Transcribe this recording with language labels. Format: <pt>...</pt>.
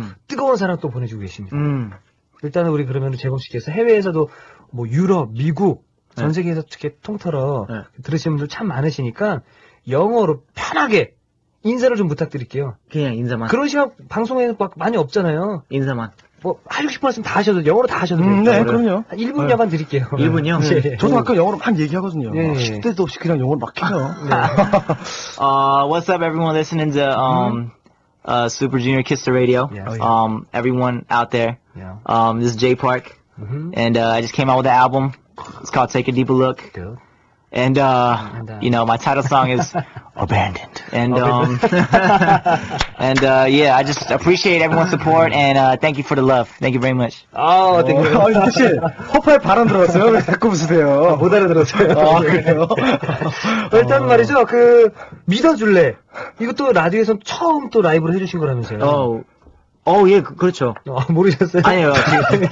<ko>뜨거운 사랑 또 보내주고 계십니다. 일단은 우리 그러면 재범 씨께서 해외에서도 뭐 유럽, 미국, 전 세계에서 이렇게 통틀어 들으시는 분들 참 많으시니까 영어로 편하게 인사를 좀 부탁드릴게요. 그냥 인사만. 그런 시간 방송에는 막 많이 없잖아요. 인사만. 뭐 한 60% 다 하셔도 영어로 다 하셔도 돼요. 네, 그럼요. 1분여만 드릴게요. 1분요? 네. 저도 아까 영어로 막 얘기하거든요. 네. 쉴 때도 없이 그냥 영어로 막 해요. 네.</ko> <en>what's up everyone listening to Super Junior Kiss the Radio. Yeah. Everyone out there. Yeah. This is Jay Park, and I just came out with an album. It's called Take a Deeper Look. Good. And you know, my title song is Abandoned. And and yeah, I just appreciate everyone's support and thank you for the love. Thank you very much. Oh, thank you.</en> <ko>아, 혹시 허파에 발언 들었어요? 왜 자꾸 웃으세요? 못 알아들었어요. 아, 그래요? 일단 말이죠. 그 믿어줄래. 이것도 라디오에서 처음 또 라이브를 해주신 거라면서요. 예, 그렇죠. 모르셨어요? 아니요, 지금.</ko>